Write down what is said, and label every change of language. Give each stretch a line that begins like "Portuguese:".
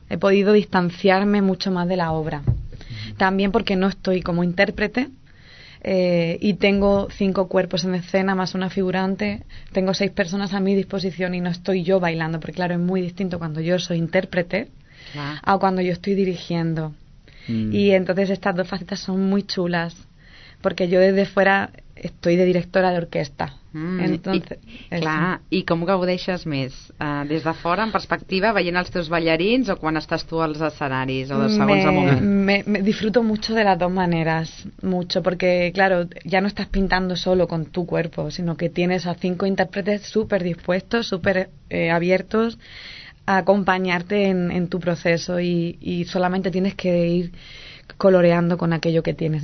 Spanish: He podido distanciarme mucho más de la obra. También porque no estoy como intérprete y tengo 5 cuerpos en escena más una figurante, tengo 6 personas a mi disposición y no estoy yo bailando, porque claro, es muy distinto cuando yo soy intérprete a cuando yo estoy dirigiendo. Y entonces estas dos facetas son muy chulas, porque yo desde fuera estoy de directora de orquesta. Entonces,
Catalan: I com gaudeixes més? Des de fora, en perspectiva, veient els teus ballarins o quan estàs tu als escenaris? O segons el moment?
Spanish: Me disfruto mucho de las dos maneras, mucho, porque claro, ya no estás pintando solo con tu cuerpo, sino que tienes a 5 intérpretes súper dispuestos, súper abiertos a acompañarte en tu proceso y solamente tienes que ir coloreando con aquello que tienes.